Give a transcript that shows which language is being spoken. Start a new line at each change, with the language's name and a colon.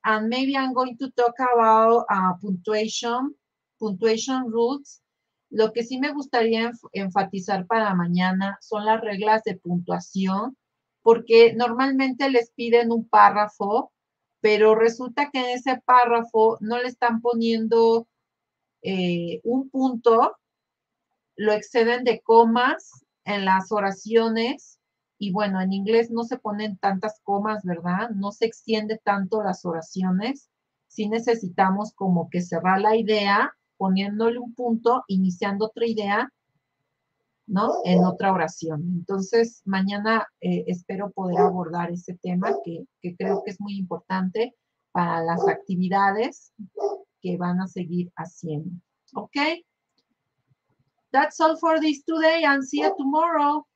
English: And maybe I'm going to talk about punctuation rules.
Spanish: Lo que sí me gustaría enfatizar para mañana son las reglas de puntuación, porque normalmente les piden un párrafo, pero resulta que en ese párrafo no le están poniendo un punto, lo exceden de comas en las oraciones, y bueno, en inglés no se ponen tantas comas, ¿verdad? No se extiende tanto las oraciones. Sí necesitamos como que cerrar la idea, poniéndole un punto, iniciando otra idea, ¿no? En otra oración. Entonces, mañana espero poder abordar ese tema que creo que es muy importante para las actividades que van a seguir haciendo. ¿Ok?
English: That's all for this today and see you tomorrow.